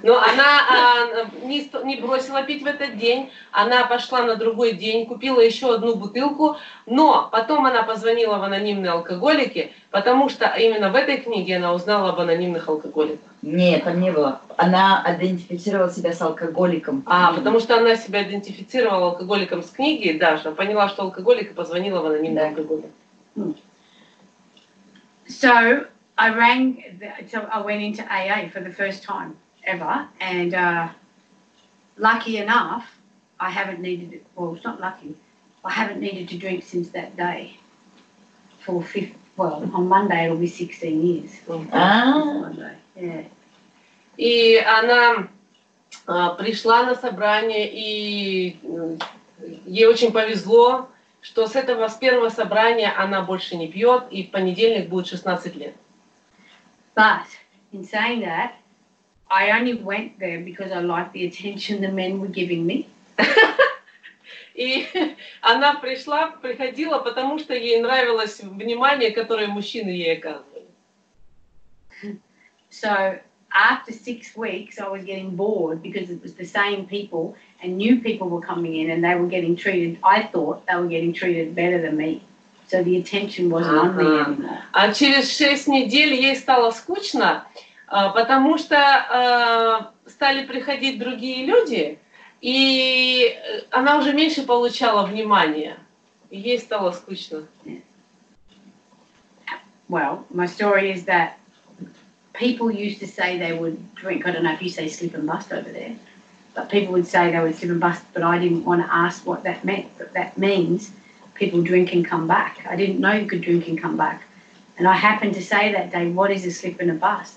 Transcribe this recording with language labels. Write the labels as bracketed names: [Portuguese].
[Russian] Ну она не бросила пить в этот день, она пошла на другой день, купила еще одну бутылку, но потом она позвонила в анонимные алкоголики, потому что именно в этой книге она узнала об анонимных алкоголиках. Нет, там не было. Она идентифицировала себя с алкоголиком. А, потому что она себя идентифицировала алкоголиком с книги, да, что поняла, что алкоголик, и позвонила в анонимные алкоголики. [English] So I rang, I went into AA for the first time ever, and lucky enough, I haven't needed it, well, it's not lucky, I haven't needed to drink since that day, for on Monday it'll be 16 years. [Russian] И она пришла на собрание, и ей очень повезло, что с первого собрания она больше не пьет, и в понедельник будет 16 лет. [English] But in saying that, I only went there because I liked the attention the men were giving me. [Russian] И она приходила, потому что ей нравилось внимание, которое мужчины ей оказывали. [English] So after 6 weeks, I was getting bored because it was the same people, and new people were coming in, and they were getting treated. I thought they were getting treated better than me. So the attention wasn't on me anymore. [Russian] А через 6 недель ей стало скучно, потому что стали приходить другие люди, и она уже меньше получала внимания. Ей стало скучно. [English] Yeah. Well, my story is that people used to say they would drink. I don't know if you say slip and bust over there, but people would say they would slip and bust, but I didn't want to ask what that meant, but that means people drink and come back. I didn't know you could drink and come back. And I happened to say that day, what is a slip and a bust?